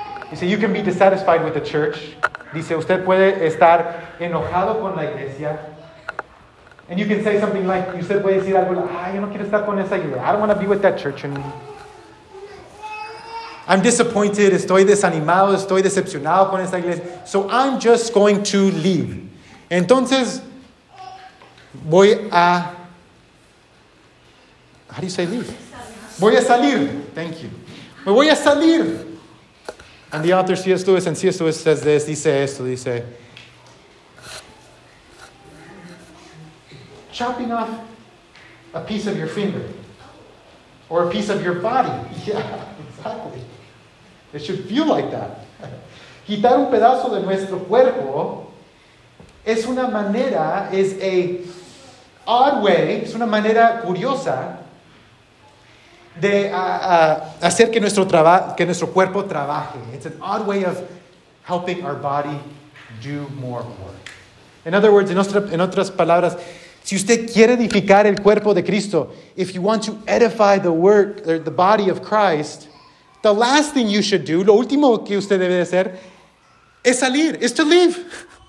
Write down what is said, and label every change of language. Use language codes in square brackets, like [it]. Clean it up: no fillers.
[en] He said, you can be dissatisfied with the church. [es] Dice, usted puede estar enojado con la iglesia. [en] And you can say something like, [es] usted puede decir algo like, ay, yo no quiero estar con esa iglesia. [en] I don't want to be with that church anymore. I'm disappointed, [es] estoy desanimado, estoy decepcionado con esa iglesia. [en] So I'm just going to leave. [es] Entonces, voy a... [en] How do you say leave? [es] Voy a salir. [en] Thank you. [es] Me voy a salir. [en] And the author C.S. Lewis, and C.S. Lewis says this, [es] dice esto, dice, [en] chopping off a piece of your finger or a piece of your body. Yeah, exactly. It should feel like that. [es] Quitar un pedazo de nuestro cuerpo es una manera, [en] is a odd way, [es] es una manera curiosa de hacer que nuestro cuerpo trabaje. [en] It's an odd way of helping our body do more work. In other words, [es] en otras palabras, si usted quiere edificar el cuerpo de Cristo, [en] if you want to edify the work or the body of Christ, the last thing you should do, [es] lo último que usted debe hacer, es salir, [en] is to leave.